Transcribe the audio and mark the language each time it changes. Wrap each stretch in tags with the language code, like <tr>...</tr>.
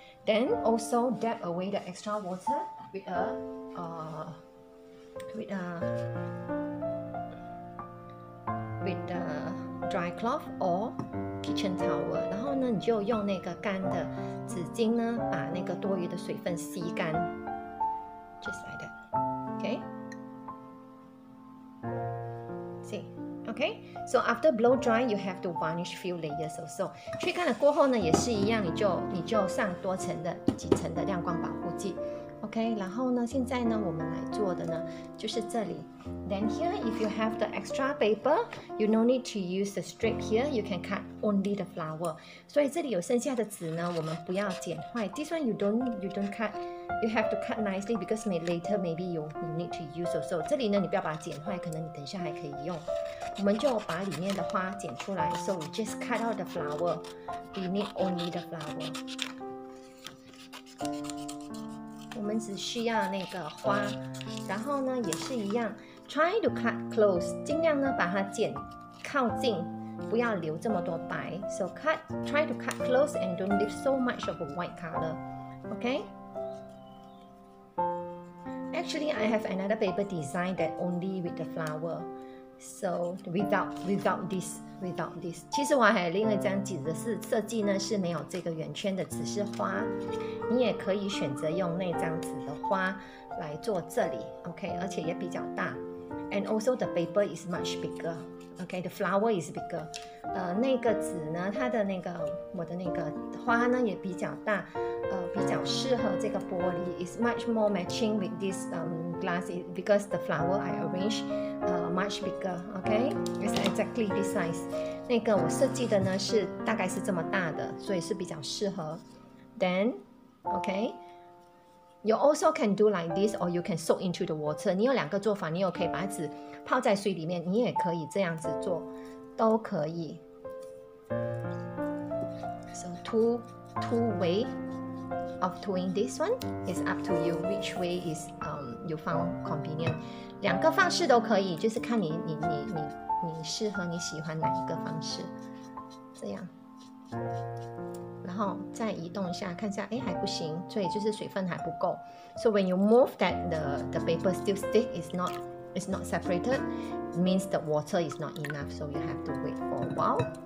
<en>Then also dab away the extra water with a dry cloth or kitchen towel.</en> <zh>然后呢，你就用那个干的纸巾呢，把那个多余的水分吸干。</zh> <en>Just like that, okay? See. Okay, so after blow dry, you have to varnish few layers or so.</en> <zh>吹干了过后呢，也是一样，你就上多层的几层的亮光保护剂。 Okay, 然后呢，现在呢，我们来做的呢，就是这里。</zh> <en>Then here, if you have the extra paper, you no need to use the strip here. You can cut only the flower.</en> <zh>所以这里有剩下的纸呢，我们不要剪坏。</zh> <en>This one you don't cut. You have to cut nicely because later maybe you need to use or so.</en> <zh>这里呢，你不要把它剪坏，可能你等一下还可以用。我们就把里面的花剪出来。</zh> <en>So we just cut out the flower. We need only the flower.</en> <zh>我们只需要那个花，然后呢也是一样</zh> <en>try to cut close，</en> <zh>尽量呢把它剪靠近，不要留这么多白。</zh> <en>So cut, try to cut close and don't leave so much of a white color. Okay, actually I have another paper design that only with the flower, so without this.</en> <zh>其实我还有另外一张纸的设计呢是没有这个圆圈的，只是花。你也可以选择用那张纸的花来做这里 ，OK， 而且也比较大。</zh> <en>And also the paper is much bigger, OK, the flower is bigger.</en> <zh>那个纸呢，它的那个我的那个花呢也比较大，比较适合这个玻璃</zh> <en>，is much more matching with this glass because the flower I arrange much bigger, OK, it's exactly this size.</en> <zh>那个我设计的呢是大概是这么大的，所以是比较适合。</zh> <en>Then Okay, you also can do like this, or you can soak into the water.</en> <zh>你有两个做法，你也可以把纸泡在水里面，你也可以这样子做，都可以。</zh> <en>So two way of doing this one is up to you. Which way is you found convenient?</en> <zh>两个方式都可以，就是看你适合你喜欢哪一个方式，这样。然后再移动一下，看一下，哎，还不行，所以就是水分还不够。</zh> <en>So when you move that the paper still stick is not separated, means the water is not enough. So you have to wait for a while.</en>